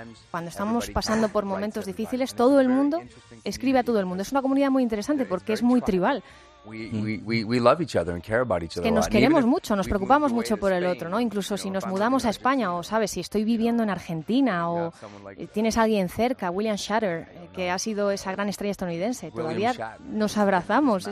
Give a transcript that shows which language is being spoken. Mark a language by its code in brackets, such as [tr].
[es] cuando estamos pasando por momentos difíciles, todo el mundo escribe a todo el mundo. Es una comunidad muy interesante porque es muy tribal. [en] We love each other and care about each other. [es] Que nos queremos mucho, nos preocupamos mucho por el otro, ¿no? Incluso si nos mudamos a España o, ¿sabes?, si estoy viviendo en Argentina o tienes a alguien cerca, William Shatner, que ha sido esa gran estrella estadounidense, todavía nos abrazamos.